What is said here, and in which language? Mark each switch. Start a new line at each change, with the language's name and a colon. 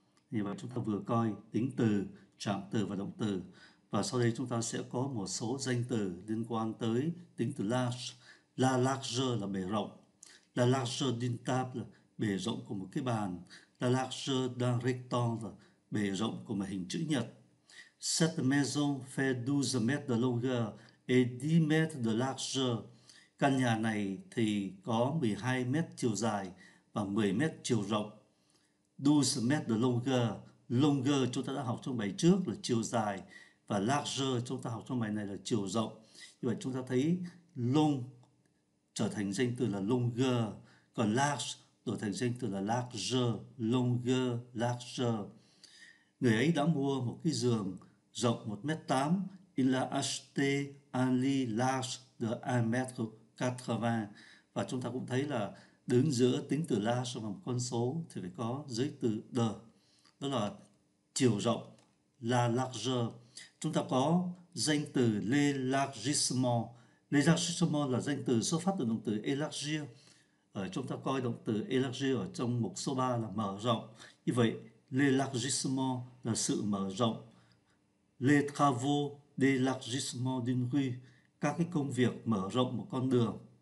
Vietnamese: Như vậy chúng ta vừa coi tính từ, trạng từ và động từ. Và sau đây chúng ta sẽ có một số danh từ liên quan tới tính từ large. La largeur là bề rộng.
French: La largeur d'une table,
Vietnamese: bề rộng của một cái bàn.
French: La largeur d'un rectangle,
Vietnamese: bề rộng của một hình chữ nhật.
French: Cette maison fait 12 mètres de longueur et 10 mètres de largeur.
Vietnamese: Căn nhà này thì có 12 mét chiều dài và 10 mét chiều rộng. 12 mét de longueur. Longueur chúng ta đã học trong bài trước là chiều dài. Và largeur chúng ta học trong bài này là chiều rộng. Như vậy chúng ta thấy long trở thành danh từ là longueur. Còn large đổi thành danh từ là largeur. Longueur, largeur. Người ấy đã mua một cái giường rộng 1m8.
French: Il a acheté un lit large de 1m80.
Vietnamese: Và chúng ta cũng thấy là đứng giữa tính từ large và một con số thì phải có giới từ the. Đó là chiều rộng,
French: la largeur.
Vietnamese: Chúng ta có danh từ l'élargissement. L'élargissement là danh từ xuất phát từ động từ élargir. Chúng ta coi động từ élargir ở trong mục số 3 là mở rộng. Như vậy, l'élargissement là sự mở rộng.
French: Les travaux d'élargissement d'une rue.
Vietnamese: Các cái công việc mở rộng một con đường.